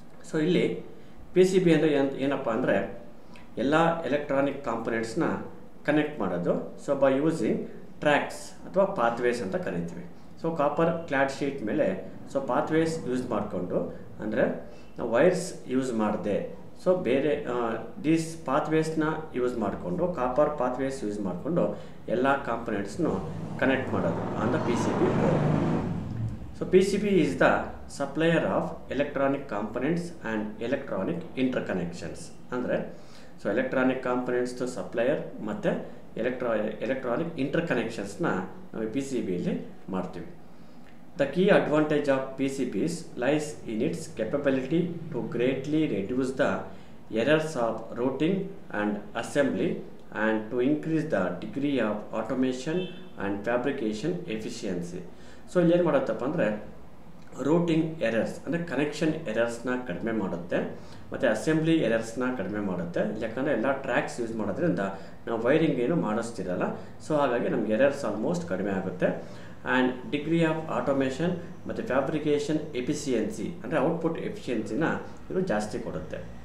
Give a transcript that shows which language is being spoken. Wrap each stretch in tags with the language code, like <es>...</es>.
<kn>So illi PCB endu enappa andre ella electronic components na connect madodu. So by using tracks athwa pathways anta karithivi. So copper clad sheet mele so pathways used maadkondo andre wires use ಮಾಡಿದೆ. So ಬೇರೆ these ಪಾತ್ವೇಸ್ನ use ಮಾಡಿಕೊಂಡು copper pathways use ಮಾಡಿಕೊಂಡು ಎಲ್ಲ ಕಾಂಪೊನೆಂಟ್ಸ್ನು connect ಮಾಡೋದು</kn> <en>On the P C B board. So P C B is the supplier of electronic components and electronic interconnections</en> <kn>ಅಂದರೆ so electronic ಕಾಂಪೊನೆಂಟ್ಸ್ದು supplier ಮತ್ತು electronic inter ಕನೆಕ್ಷನ್ಸ್ನ ನಾವು P C ಬಿಯಲ್ಲಿ ಮಾಡ್ತೀವಿ.</kn> <en>The key advantage of PCBs lies in its capability to greatly reduce the errors of routing and assembly and to increase the degree of automation and fabrication efficiency.</en> <kn>So ಏನು ಮಾಡುತ್ತಪ್ಪ ಅಂದರೆ routing errors ಅಂದರೆ connection ಎರರ್ಸ್ನ ಕಡಿಮೆ ಮಾಡುತ್ತೆ ಮತ್ತು assembly ಎರರ್ಸ್ನ ಕಡಿಮೆ ಮಾಡುತ್ತೆ. ಯಾಕಂದರೆ ಎಲ್ಲ ಟ್ರ್ಯಾಕ್ಸ್ ಯೂಸ್ ಮಾಡೋದ್ರಿಂದ ನಾವು ವೈರಿಂಗ್ ಏನು ಮಾಡಿಸ್ತಿರಲ್ಲ. ಸೊ ಹಾಗಾಗಿ ನಮ್ಗೆ ಎರರ್ಸ್ ಆಲ್ಮೋಸ್ಟ್ ಕಡಿಮೆ ಆಗುತ್ತೆ. ಆ್ಯಂಡ್ ಡಿಗ್ರಿ ಆಫ್ ಆಟೋಮೇಷನ್ ಮತ್ತು ಫ್ಯಾಬ್ರಿಕೇಷನ್ ಎಫಿಷಿಯನ್ಸಿ ಅಂದರೆ ಔಟ್ಪುಟ್ ಎಫಿಷಿಯನ್ಸಿನ ಇದು ಜಾಸ್ತಿ ಕೊಡುತ್ತೆ.</kn>